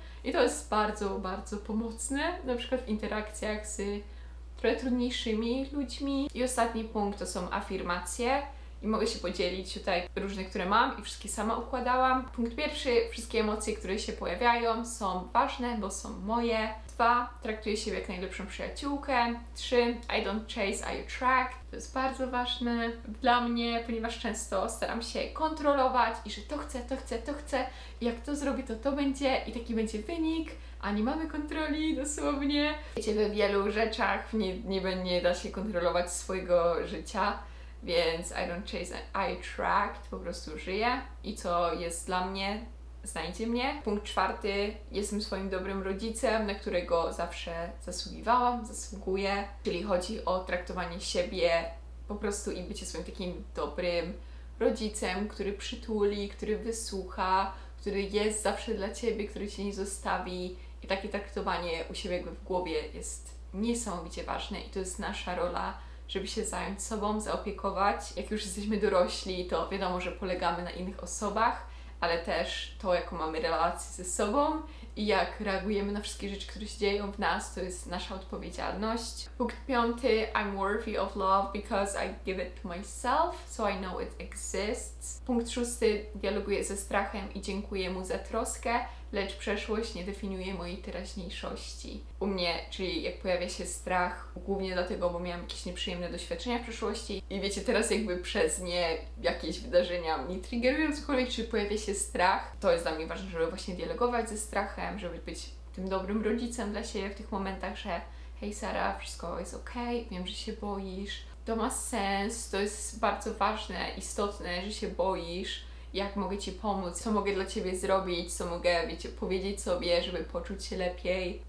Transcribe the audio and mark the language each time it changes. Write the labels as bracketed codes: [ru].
[pl] I to jest bardzo, bardzo pomocne, na przykład w interakcjach z trochę trudniejszymi ludźmi. I ostatni punkt to są afirmacje. I mogę się podzielić tutaj różne, które mam i wszystkie sama układałam. Punkt pierwszy, wszystkie emocje, które się pojawiają, są ważne, bo są moje. Dwa, traktuję siebie jak najlepszą przyjaciółkę. Trzy, [en] I don't chase, I attract. [pl] To jest bardzo ważne dla mnie, ponieważ często staram się kontrolować i że to chcę. I jak to zrobię, to będzie i taki będzie wynik. A nie mamy kontroli, dosłownie. Wiecie, we wielu rzeczach nie da się kontrolować swojego życia. Więc [en] I don't chase, I attract, [pl] po prostu żyję. I co jest dla mnie, znajdzie mnie. Punkt czwarty, jestem swoim dobrym rodzicem, na którego zawsze zasługuję. Czyli chodzi o traktowanie siebie po prostu i bycie swoim takim dobrym rodzicem, który przytuli, który wysłucha, który jest zawsze dla ciebie, który cię nie zostawi. I takie traktowanie u siebie jakby w głowie jest niesamowicie ważne i to jest nasza rola, żeby się zająć sobą, zaopiekować. Jak już jesteśmy dorośli, to wiadomo, że polegamy na innych osobach, ale też to, jaką mamy relację ze sobą i jak reagujemy na wszystkie rzeczy, które się dzieją w nas, to jest nasza odpowiedzialność. Punkt piąty, [en] I'm worthy of love because I give it to myself, so I know it exists. [pl] Punkt szósty, dialoguję ze strachem i dziękuję mu za troskę, lecz przeszłość nie definiuje mojej teraźniejszości. U mnie, czyli jak pojawia się strach, głównie dlatego, bo miałam jakieś nieprzyjemne doświadczenia w przeszłości i wiecie, teraz jakby przez nie jakieś wydarzenia mnie triggerują cokolwiek, czy pojawia się strach, to jest dla mnie ważne, żeby właśnie dialogować ze strachem, żeby być tym dobrym rodzicem dla siebie w tych momentach, że hej Sara, wszystko jest okej, wiem, że się boisz, to ma sens, to jest bardzo ważne, istotne, że się boisz, jak mogę ci pomóc, co mogę dla ciebie zrobić, co mogę, wiecie, powiedzieć sobie, żeby poczuć się lepiej.